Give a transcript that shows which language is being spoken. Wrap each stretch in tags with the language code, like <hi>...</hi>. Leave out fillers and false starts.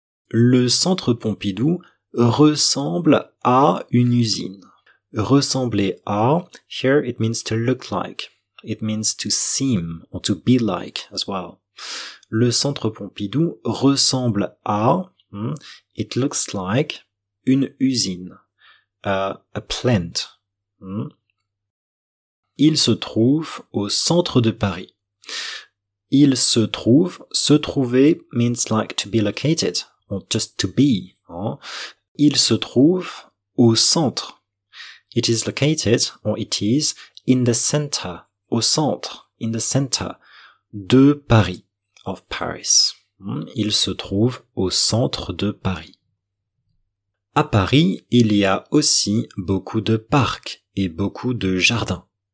<fr>Le centre Pompidou ressemble à une usine. Ressembler à,</fr> <en>here it means to look like, it means to seem or to be like as well.</en> <fr>Le centre Pompidou ressemble à,</fr> <en>it looks like,</en> <fr>une usine,</fr> <en>a plant.</en> <fr>Il se trouve au centre de Paris. Il se trouve, se trouver</fr> <en>means like to be located, or just to be. Hein?</en> <fr>Il se trouve au centre.</fr> <en>It is located, or it is, in the center,</en> <fr>au centre,</fr> <en>in the center,</en> <fr>de Paris.</fr> <en>Of Paris.</en> <fr>Il se trouve au centre de Paris. À Paris, il y a aussi beaucoup de parcs et beaucoup de jardins.</fr>